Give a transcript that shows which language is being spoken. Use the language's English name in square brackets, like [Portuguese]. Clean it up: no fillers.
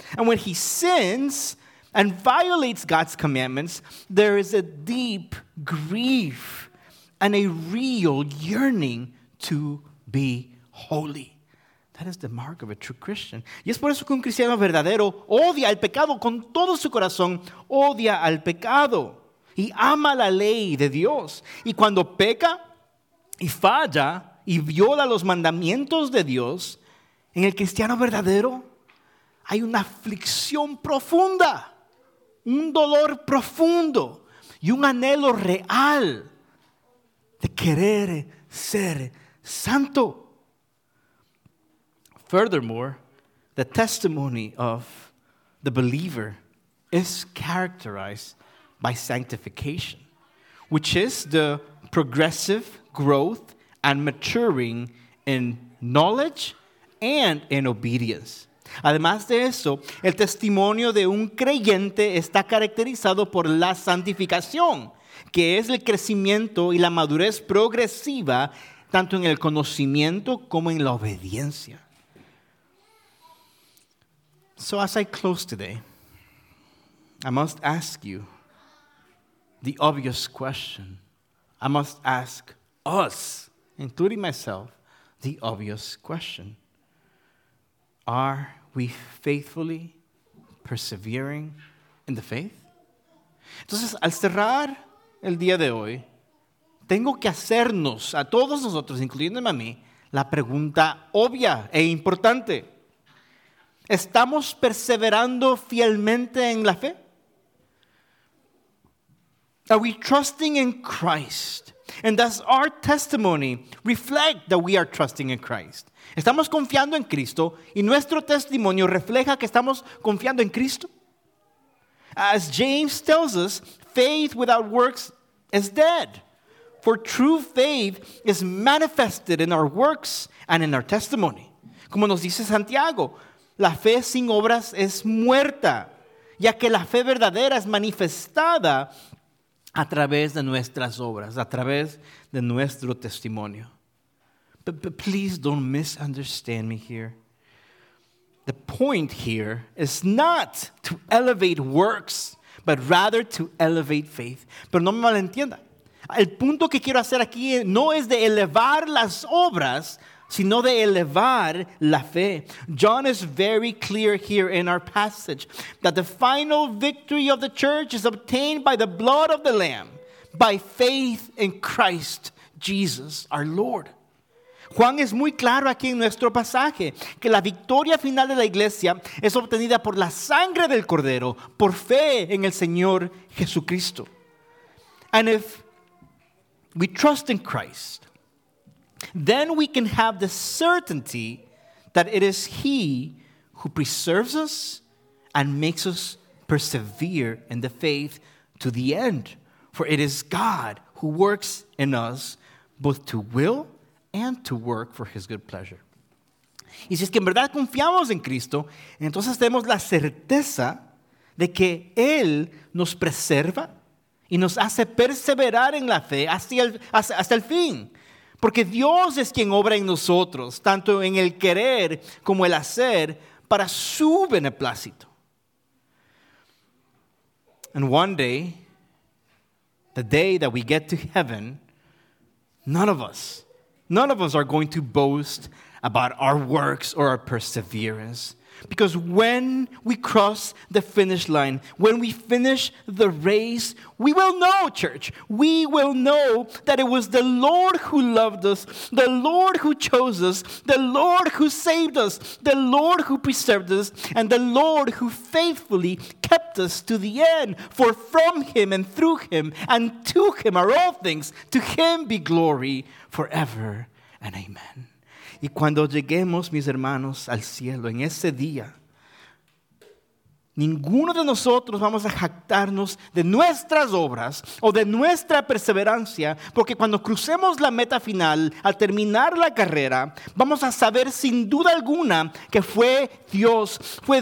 [English] And when he sins and violates God's commandments, there is a deep grief and a real yearning to be holy. That is the mark of a true Christian. [Spanish] Y es por eso que un cristiano verdadero odia el pecado con todo su corazón. Odia al pecado. Y ama la ley de Dios. Y cuando peca y falla y viola los mandamientos de Dios, en el cristiano verdadero hay una aflicción profunda. Un dolor profundo. Y un anhelo real de querer ser santo. [English] Furthermore, the testimony of the believer is characterized by sanctification, which is the progressive growth and maturing in knowledge and in obedience. [Spanish] Además de eso, el testimonio de un creyente está caracterizado por la santificación, que es el crecimiento y la madurez progresiva, tanto en el conocimiento como en la obediencia. [English] So as I close today, I must ask you the obvious question. I must ask us, including myself, the obvious question. Are we faithfully persevering in the faith? [Spanish] Entonces, al cerrar el día de hoy, tengo que hacernos, a todos nosotros, incluyéndome a mí, la pregunta obvia e importante. ¿Estamos perseverando fielmente en la fe? [English] Are we trusting in Christ? And does our testimony reflect that we are trusting in Christ? [Spanish] ¿Estamos confiando en Cristo y nuestro testimonio refleja que estamos confiando en Cristo? [English] As James tells us, faith without works is dead. For true faith is manifested in our works and in our testimony. [Spanish] Como nos dice Santiago, la fe sin obras es muerta, ya que la fe verdadera es manifestada a través de nuestras obras, a través de nuestro testimonio. [English] But please don't misunderstand me here. The point here is not to elevate works, but rather to elevate faith. [Spanish] Pero no me malentienda. El punto que quiero hacer aquí no es de elevar las obras, sino de elevar la fe. [English] John is very clear here in our passage that the final victory of the church is obtained by the blood of the Lamb, by faith in Christ Jesus, our Lord. [Spanish] Juan es muy claro aquí en nuestro pasaje que la victoria final de la iglesia es obtenida por la sangre del Cordero, por fe en el Señor Jesucristo. [English] And if we trust in Christ, then we can have the certainty that it is He who preserves us and makes us persevere in the faith to the end. For it is God who works in us both to will and to work for His good pleasure. [Spanish] Y si es que en verdad confiamos en Cristo, entonces tenemos la certeza de que Él nos preserva y nos hace perseverar en la fe hasta el fin. Porque Dios es quien obra en nosotros, tanto en el querer como el hacer, para su beneplácito. [English] And one day, the day that we get to heaven, none of us None of us are going to boast about our works or our perseverance. Because when we cross the finish line, when we finish the race, we will know, church. We will know that it was the Lord who loved us, the Lord who chose us, the Lord who saved us, the Lord who preserved us, and the Lord who faithfully kept us to the end. For from him and through him and to him are all things. To him be glory forever and amen. [Spanish] Y cuando lleguemos, mis hermanos, al cielo, en ese día, ninguno de nosotros vamos a jactarnos de nuestras obras o de nuestra perseverancia, porque cuando crucemos la meta final, al terminar la carrera, vamos a saber sin duda alguna que fue Dios